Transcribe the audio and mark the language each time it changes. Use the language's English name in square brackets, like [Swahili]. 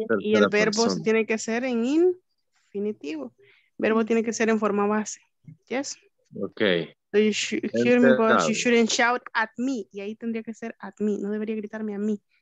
[Spanish] Y el verbo se tiene que hacer en in. Infinitivo. Verbo tiene que ser en forma base. [English] Yes. Okay. So you should hear me, but you shouldn't shout at me. [Spanish] Y ahí tendría que ser at me. No debería gritarme a mí.